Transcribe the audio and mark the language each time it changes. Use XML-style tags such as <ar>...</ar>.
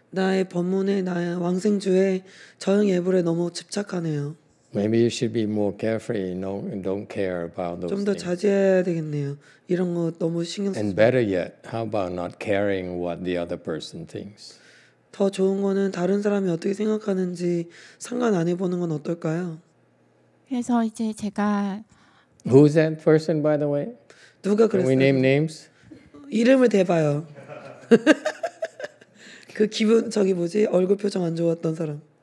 <ko>나의 법문에, 나의 왕생주에, 저녁 예불에 너무 집착하네요.</ko> <en>Maybe you should be more carefree. Don't care about those.</en> <ko>좀 더 자제해야 되겠네요. 이런 거 너무 신경 쓰지.</ko> <en>And better yet, how about not caring what the other person thinks?</en> <ko>더 좋은 거는 다른 사람이 어떻게 생각하는지 상관 안 해보는 건 어떨까요? 그래서 이제 제가</ko> <en>Who's that person, by the way?</en> <ko>누가 그랬어요?</ko> <en>Can we name names?</en> <ko>이름을 대봐요. 그 기분 저기 뭐지 얼굴 표정 안 좋았던 사람.</ko>